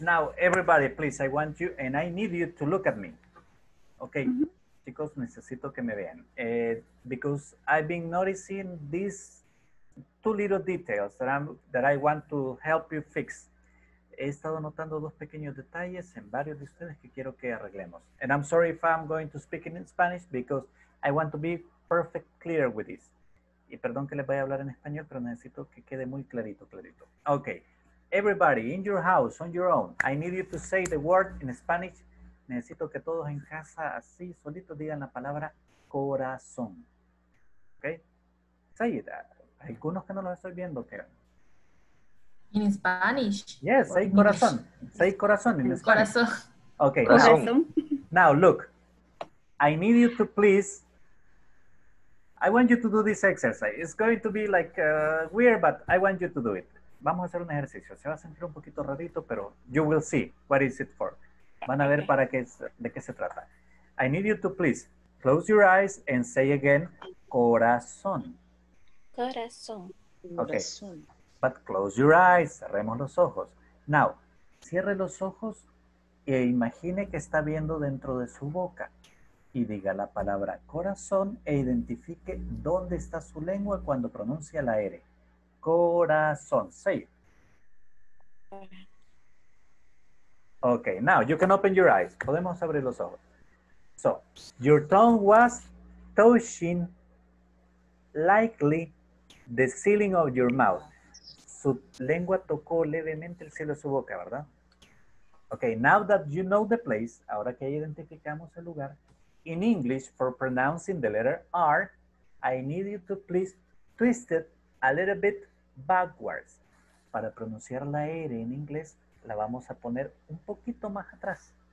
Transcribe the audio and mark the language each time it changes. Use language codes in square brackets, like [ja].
[en] Now, everybody, please, I want you and I need you to look at me. Okay. Mm-hmm. [es] Chicos, necesito que me vean. [en] Because I've been noticing these two little details that I want to help you fix. [es] He estado notando dos pequeños detalles en varios de ustedes que quiero que arreglemos. [en] And I'm sorry if I'm going to speak in Spanish because I want to be perfect clear with this. [es] Y perdón que les vaya a hablar en español, pero necesito que quede muy clarito. [en] Okay. Everybody, in your house, on your own, I need you to say the word in Spanish. [es] Necesito que todos en casa, así, solito, digan la palabra corazón. [en] Okay. Say it. [es] Algunos que no lo estoy viendo, ¿qué? [en] In Spanish. Yes, say corazón. Say corazón in Spanish. [es] Corazón. [en] Okay. [es] Corazón. [en] Now, look. I need you to please I want you to do this exercise. It's going to be like weird, but I want you to do it. [es] Vamos a hacer un ejercicio. Se va a sentir un poquito rarito, pero [en] you will see what is it for. [es] Van a ver para qué es, de qué se trata. [en] I need you to please close your eyes and say again, corazón. [es] Corazón. [en] Okay. Corazón. But close your eyes. [es] Cerremos los ojos. Now, cierre los ojos e imagine que está viendo dentro de su boca. Y diga la palabra corazón e identifique dónde está su lengua cuando pronuncia la R. [en] Corazón. Say it. Okay, now you can open your eyes. [es] Podemos abrir los ojos. [en] So, your tongue was touching lightly the ceiling of your mouth. [es] Su lengua tocó levemente el cielo de su boca, ¿verdad? [en] Okay, now that you know the place, [es] ahora que identificamos el lugar, [en] in English, for pronouncing the letter R, I need you to please twist it a little bit backwards. [es] Para pronunciar la R en inglés, la vamos a poner un poquito más atrás.